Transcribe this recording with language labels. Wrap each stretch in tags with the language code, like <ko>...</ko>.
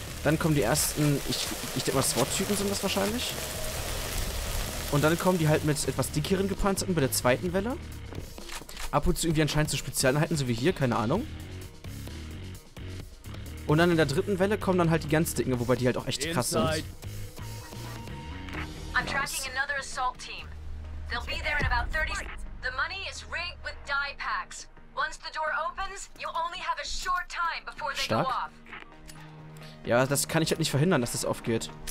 <de>Dann kommen die ersten, ich denke mal SWAT-Typen sind das wahrscheinlich. Und dann kommen die halt mit etwas dickeren Gepanzerten bei der zweiten Welle. Ab und zu irgendwie anscheinend zu Spezialeinheiten, so wie hier, keine Ahnung. Und dann in der dritten Welle kommen dann halt die ganz dicken, wobei die halt auch echt krass sind.</de> <en>I'm tracking another assault team. They'll be there in about 30 seconds. The money is rigged with die packs. Once the door opens, you only have a short time before they go off.</en> <de>Ja, das kann ich halt nicht verhindern, dass das aufgeht.</de>